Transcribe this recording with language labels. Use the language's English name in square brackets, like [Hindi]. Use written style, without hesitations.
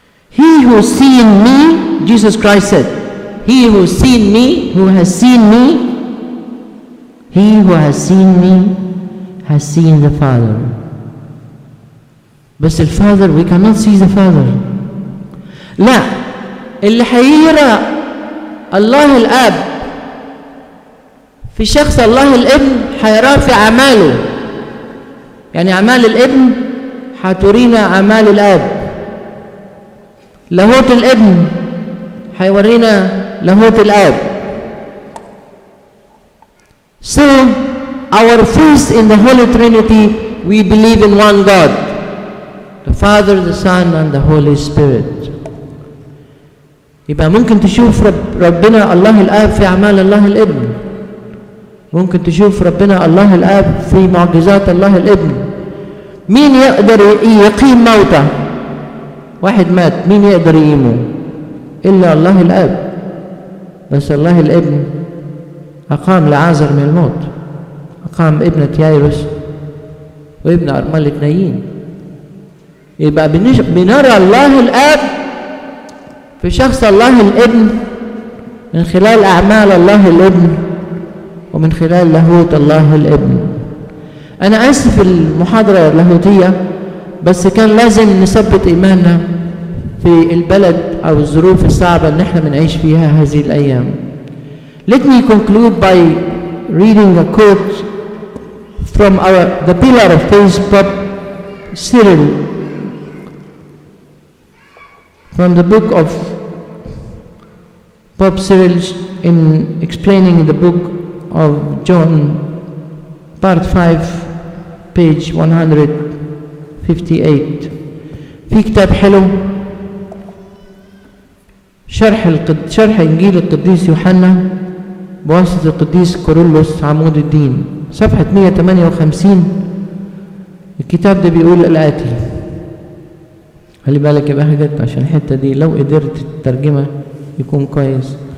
[English] He who seen me, Jesus Christ said, he who seen me, who has seen me, he who has seen me has seen the Father. But the Father, we cannot see the Father. [Arabic] لا اللي حيرى الله الأب في شخص الله الابن حيرى في أعماله. يعني أعمال الابن حترينا أعمال الأب. لاهوت الابن حيورينا لاهوت الأب. [English] So our faith in the Holy Trinity, we believe in one God, the Father, the Son, and the Holy Spirit. [Arabic] يبقى ممكن تشوف ربنا الله الآب في أعمال الله الابن. ممكن تشوف ربنا الله الآب في معجزات الله الابن. مين يقدر يقيم موته؟ واحد مات، مين يقدر يقيمه؟ إلا الله الآب. بس الله الابن أقام لعازر من الموت، أقام ابنة يايروس وابن أرملة نايين. يبقى بنرى الله الآب في شخص الله الابن من خلال أعمال الله الابن ومن خلال لاهوت الله الابن. أنا آسف المحاضرة اللاهوتية، بس كان لازم نثبت إيماننا في البلد أو الظروف الصعبة اللي احنا بنعيش فيها هذه الأيام. [English] Let me conclude by reading a quote from the pillar of faith, Pope Cyril, from the book of Pope Cyril in explaining the book of John, part 5, page 158. [Arabic] في كتاب حلو شرح إنجيل القديس يوحنا بواسطة القديس كورولوس عمود الدين، صفحة 158. الكتاب ده بيقول الآتي، خلي بالك يا بهجت عشان الحتة دي لو قدرت الترجمة يكون كويس.